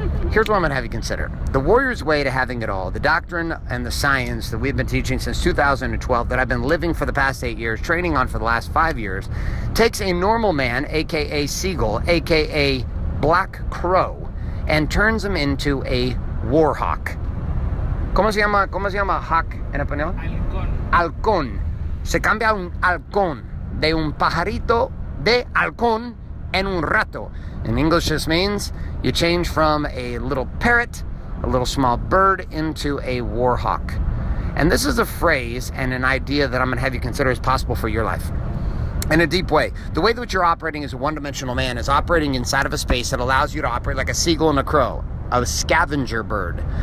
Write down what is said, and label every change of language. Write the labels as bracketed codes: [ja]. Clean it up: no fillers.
[en] Here's what I'm going to have you consider. The warrior's way to having it all, the doctrine and the science that we've been teaching since 2012, that I've been living for the past 8 years, training on for the last 5 years, takes a normal man, a.k.a. Seagull, a.k.a. Black Crow, and turns him into a war hawk. [es] ¿Cómo se llama hawk en español? Halcón. Se cambia un halcón de un pajarito de halcón en un rato. [en] In English, this means you change from a little parrot, a little small bird, into a war hawk. And this is a phrase and an idea that I'm going to have you consider as possible for your life. In a deep way, the way that you're operating as a one-dimensional man is operating inside of a space that allows you to operate like a seagull and a crow, a scavenger bird.